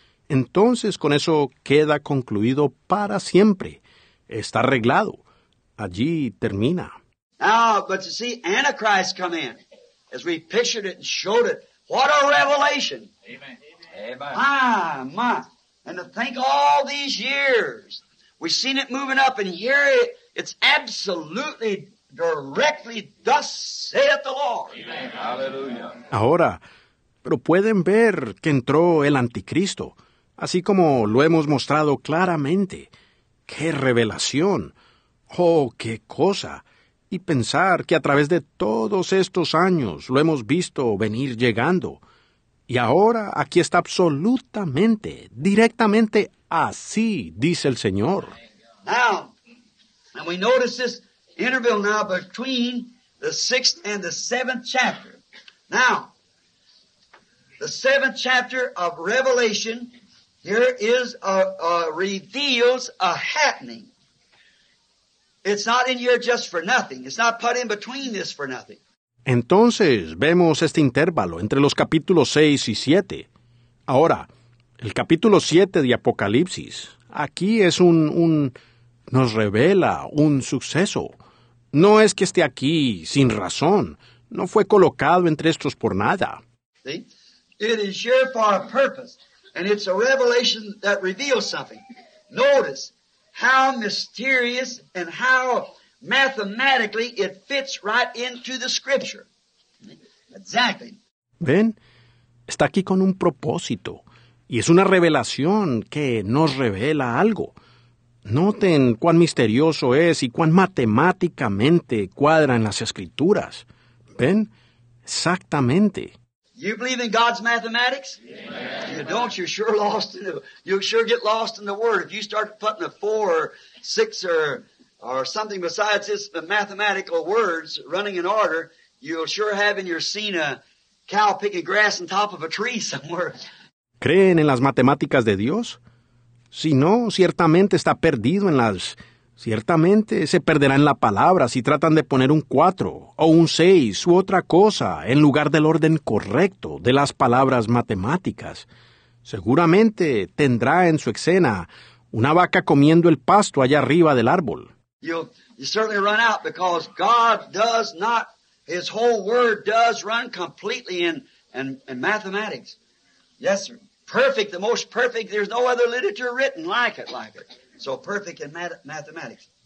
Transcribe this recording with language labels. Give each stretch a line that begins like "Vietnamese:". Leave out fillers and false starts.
Spanish: Entonces, con eso queda concluido para siempre. Está arreglado. Allí termina.
English: Now, but you see, Antichrist come in, as we pictured it and showed it. What a revelation. Amen. My, my. And to think all these years, we've seen it moving up, and here it's absolutely directly, thus saith the Lord. Amen. Hallelujah.
Spanish: Ahora, pero pueden ver que entró el anticristo, así como lo hemos mostrado claramente. ¡Qué revelación! ¡Oh, qué cosa! Y pensar que a través de todos estos años lo hemos visto venir llegando. Y ahora aquí está absolutamente, directamente así, dice el Señor.
English: Now, and we notice this interval now between the sixth and the seventh chapter. Now, the seventh chapter of Revelation, here is a reveals a happening. It's not in here just for nothing. It's not put in between this for nothing.
Spanish: Entonces, vemos este intervalo entre los capítulos 6 y 7. Ahora, el capítulo 7 de Apocalipsis, aquí es un nos revela un suceso. No es que esté aquí sin razón. No fue colocado entre estos por nada.
English: See? It is here for a purpose, and it's a revelation that reveals something. Notice how mysterious and how mathematically it fits right into the scripture. Exactly.
Spanish: Ven, está aquí con un propósito, y es una revelación que nos revela algo. Noten cuán misterioso es y cuán matemáticamente cuadra en las escrituras. Ven, exactamente.
English: You believe in God's mathematics? Yeah. You don't, you're sure lost in the, you sure get lost in the Word. If you start putting a four or six or something besides this, the mathematical words running in order, you'll sure have in your scene a cow picking grass on top of a tree somewhere.
Spanish: ¿Creen en las matemáticas de Dios? Si no, ciertamente está perdido en las... Ciertamente se perderá en la palabra si tratan de poner un 4 o un 6 u otra cosa en lugar del orden correcto de las palabras matemáticas. Seguramente tendrá en su escena una vaca comiendo el pasto allá arriba del árbol.
English: You certainly run out because God does not, his whole word does run completely in mathematics. Yes, sir. Perfect, the most perfect. There's no other literature written like it. So perfect in mathematics.